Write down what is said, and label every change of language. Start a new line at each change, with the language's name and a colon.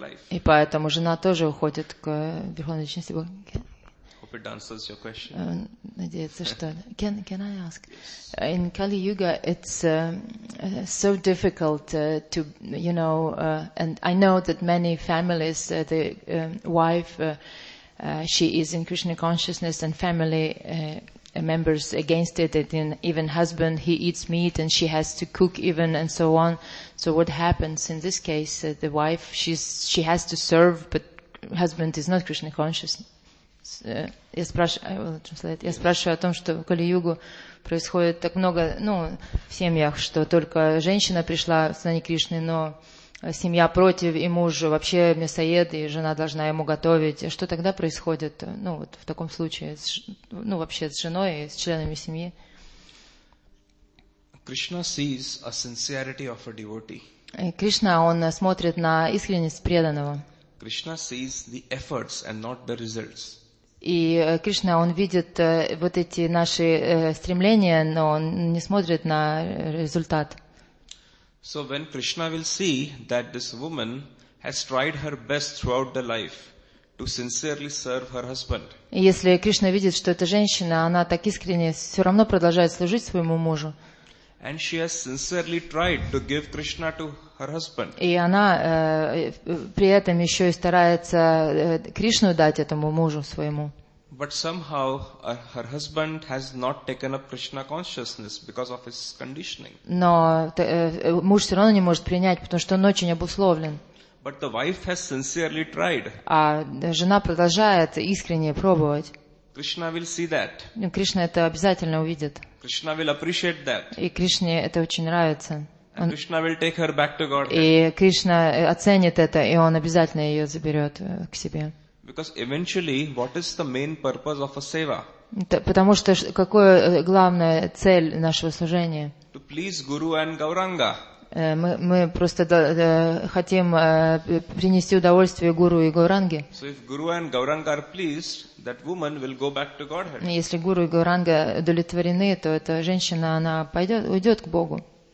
Russian: И поэтому жена тоже уходит к верховной личности Бога.
English: Hope it answers your question.
Russian: Надеется, что...
English: Can I ask? In Kali Yuga, it's so difficult to, you know, and I know that many families, the wife... she is in Krishna consciousness and family members against it. And even husband, he eats meat and she has to cook even and so on. So what happens in this case? The wife, she has to serve, but husband is not Krishna conscious.
Russian: Я спрашиваю о том, что в Кали-Югу происходит так много, ну, в семьях, что только женщина пришла в сознание Кришны, но... Семья против, и муж вообще мясоед, и жена должна ему готовить. Что тогда происходит, ну, вот в таком случае, ну, вообще с женой и с членами семьи?
English: Krishna sees a sincerity of a devotee.
Russian: Кришна, он смотрит на искренность преданного.
English: Krishna sees the efforts and not the results.
Russian: И Кришна, он видит вот эти наши стремления, но он не смотрит на результат.
English: So when Krishna will see that this woman has tried her best throughout the life to sincerely serve her husband.
Russian: Если Кришна видит, что эта женщина, она так искренне все равно продолжает служить своему мужу.
English: And she has sincerely tried to give Krishna to her husband.
Russian: И она при этом еще и старается Кришну дать этому мужу своему.
English: But somehow her husband has not taken up Krishna consciousness because of his conditioning.
Russian: Но муж все равно не может принять, потому что он очень обусловлен.
English: But the wife has sincerely tried.
Russian: А жена продолжает искренне пробовать.
English: Krishna will see that.
Russian: Кришна это обязательно увидит.
English: Krishna will appreciate that.
Russian: И Кришне это очень нравится.
English: And Krishna will take her back to Godhead.
Russian: И Кришна оценит это, и он обязательно ее заберет к себе.
English: Because eventually, what is the main purpose of a seva?
Russian: Потому что какое главная цель нашего служения?
English: To please Guru and Gauranga.
Russian: Мы просто хотим принести удовольствие Гуру и Гауранге.
English: So if Guru and Gauranga are pleased, that woman will go back to Godhead.
Russian: Если Гуру и Гауранга удовлетворены, то эта женщина она пойдет уйдет к Богу.